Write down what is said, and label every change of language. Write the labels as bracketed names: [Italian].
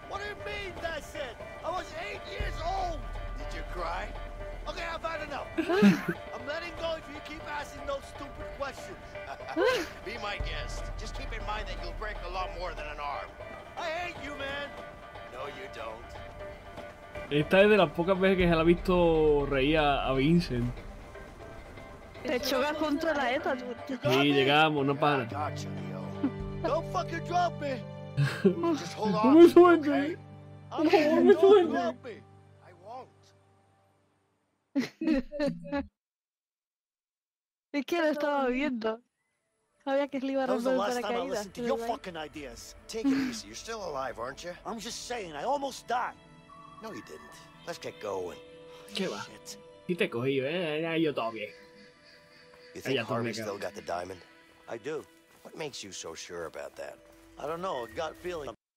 [English] What do you mean that's it? I was 8 years old! Did you cry? Okay, I've had enough. I'm letting go if you keep asking those stupid questions. Be my guest. Just keep in mind that you'll break a lot more than an arm. I hate you, man. No, you don't. [Spanish] Esta es de las pocas veces que se la ha visto reír a Vincent. Te chocas contra la ETA, tú. Sí, llegamos, no para. [English] Don't fucking drop me. Just hold on. Okay? Don't drop me. [Spanish] Es que lo estaba viendo. Sabía que le iba a romper el paracaídas. [English] Your fucking ideas. Take it easy. You're still alive, aren't you? I'm just saying, I almost died. No, you didn't. Let's get going. [Spanish] ¿Qué va? Y te cogí, yo todavía. [English] You think Harvey still got the diamond? I do. What makes you so sure about that? I don't know. I got a feeling.